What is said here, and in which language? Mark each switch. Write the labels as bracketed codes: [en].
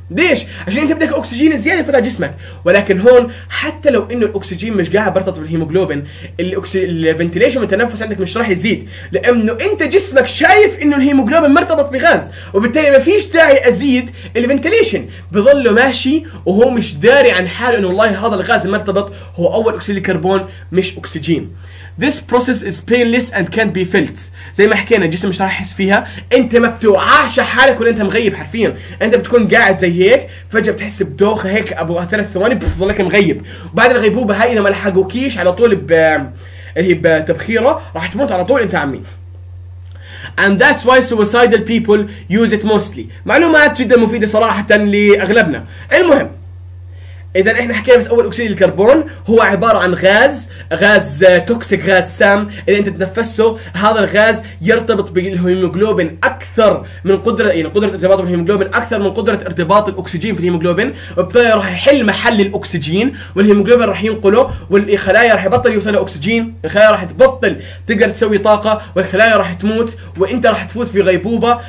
[ar] ليش؟ عشان أنت بدك أكسجين زيادة في جسمك. ولكن هون حتى لو إنه الأكسجين مش قاعد برتبط بالهيموجلوبين، الفنتيليشن والتنفس عندك مش راح يزيد، لأنه أنت جسمك شايف إنه الهيموجلوبين مرتبط بغاز، وبالتالي ما فيش داعي ازيد الفنتيليشن، بظله ماشي وهو مش داري عن حاله انه والله هذا الغاز المرتبط هو اول اكسيد الكربون مش اكسجين. [en] This process is painless and can't be felt. [ar] زي ما حكينا الجسم مش راح يحس فيها، انت ما بتوعاش حالك ولا انت مغيب حرفيا، انت بتكون قاعد زي هيك فجاه بتحس بدوخه هيك ابو ثلاث ثواني بتضلك مغيب، وبعد الغيبوبه هاي اذا ما لحقوكيش على طول هي بتبخيره راح تموت على طول انت عمي. [en] And that's why suicidal people use it mostly. [ar] معلومات جدا مفيدة صراحة لأغلبنا. المهم إذا إحنا حكينا بس أول أكسيد الكربون هو عبارة عن غاز، غاز توكسيك، غاز سام، إذا أنت تنفسه هذا الغاز يرتبط بالهيموجلوبين أكثر من قدرة يعني قدرة ارتباطه بالهيموجلوبين أكثر من قدرة ارتباط الأكسجين في الهيموجلوبين، وبالتالي راح يحل محل الأكسجين والهيموجلوبين راح ينقله والخلايا راح يبطل يوصل أكسجين، الخلايا راح تبطل تقدر تسوي طاقة والخلايا راح تموت وأنت راح تفوت في غيبوبة.